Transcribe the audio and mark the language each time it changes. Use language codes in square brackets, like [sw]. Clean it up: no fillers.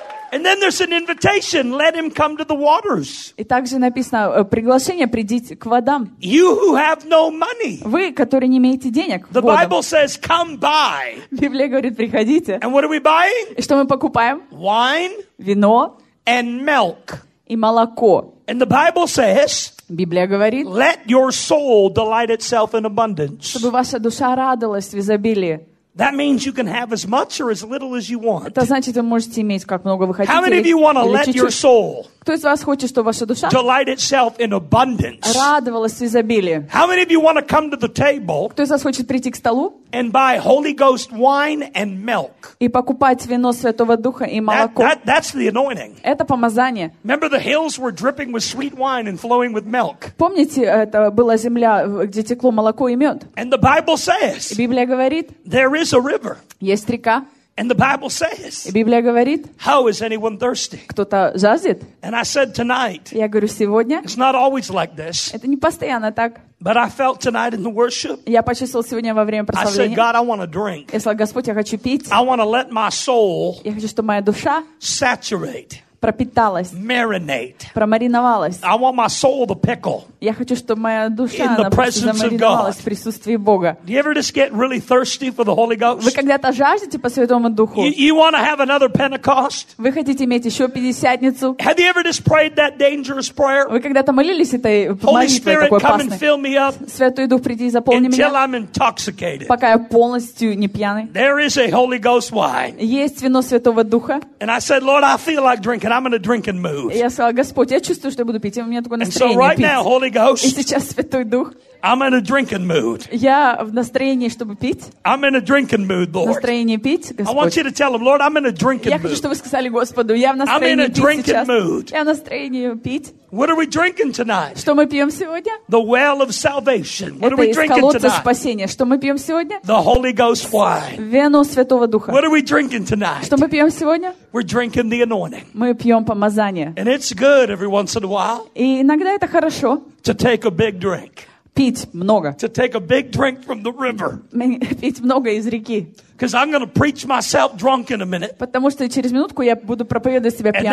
[en] And then there's an invitation, let him come to the waters. [ru] И также написано приглашение, придите к водам. [en] You who have no money. [ru] Вы, которые не имеете денег. [en] The Bible says, come buy. [ru] Библия говорит, приходите. [en] And what are we buying? [ru] И что мы покупаем? [en] Wine. [ru] Вино. [en] And milk. [ru] И молоко. [en] And the Bible says, [ru] Библия говорит, [en] let your soul delight itself in abundance. [ru] Чтобы ваша душа радовалась в изобилии. [en] That means you can have as much or as little as you want. [ru] Это значит, вы можете иметь как много вы хотите. [en] How many of you want to let your soul? [ru] Кто из вас хочет, чтобы ваша душа [en] delight itself in abundance? [ru] Радовалась в изобилии. [en] How many of you want to come to the table? [ru] Кто из вас хочет прийти к столу? [en] And buy Holy Ghost wine and milk. [ru] И покупать вино Святого Духа и молоко. [en] That's the anointing. [ru] Это помазание. [en] Remember the hills were dripping with sweet wine and flowing with milk. [ru] Помните, это была земля, где текло молоко и мед. [en] And the Bible says. [ru] И Библия говорит. [en] There is a river. [ru] Есть река. [en] And the Bible says. [ru] И Библия говорит. [en] How is anyone thirsty? [ru] Кто-то жаждет? [en] And I said tonight. [ru] Я говорю сегодня. [en] It's not always like this. [ru] Это не постоянно так. [en] But I felt tonight in the worship. [ru] Я почувствовал сегодня во время прославления. [en] I said, God, I want to drink. [ru] Я сказал, Господь, я хочу пить. [en] I want to let my soul. [ru] Я хочу, чтобы моя душа [en] saturate. [ru] Пропиталась. [en] Marinate. [ru] Промариновалась. [en] I want my soul to pickle. [ru] Я хочу, чтобы моя душа замариновалась в присутствии Бога. [en] Do you ever just get really thirsty for the Holy Ghost? [ru] Вы когда-то жаждете по Святому Духу? [en] You want to have another Pentecost? [ru] Вы хотите иметь еще пятидесятницу? [en] Have you ever just prayed that dangerous prayer? [ru] Вы когда-то молились этой молитвой такой опасной? Святой Дух, приди и заполни меня. [en] Until I'm intoxicated. [ru] Пока я полностью не пьяный. [en] There is a Holy Ghost wine. [ru] Есть вино Святого Духа. [en] And I said, Lord, I feel like drinking. And I'm going to drink and move. [ru] Я сказал, Господь, я чувствую, что я буду пить, и у меня такое настроение пить. [en] And so right now, Holy Ghost. [ru] И сейчас Святой Дух. [en] I'm in a drinking mood. [ru] Я в настроении, чтобы пить. [en] I'm in a drinking mood, Lord. [ru] Настроение пить, Господь. [en] I want you to tell him, Lord, I'm in a drinking mood. [ru] Я хочу, чтобы вы сказали Господу, я в настроении пить. [en] I'm in a drinking mood. [ru] Я в настроении пить. [en] What are we drinking tonight? [ru] Что мы пьем сегодня? [en] The well of salvation. What are we drinking tonight? [ru] Это из колодца спасения. Что мы пьем сегодня? [en] The Holy Ghost wine. [ru] Вино Святого Духа. [en] What are we drinking tonight? [ru] Что мы пьем сегодня? [en] We're drinking the anointing. [ru] Мы пьем помазание. [en] And it's good every once in a while. [ru] И иногда это хорошо. [en] To take a big drink. [ru] Пить много. [en] To take a big drink from the river. [ru] Пить много из реки. [en] Because I'm going to preach myself drunk in a minute. [ru] Потому что через минутку я буду проповедовать себя пьяным.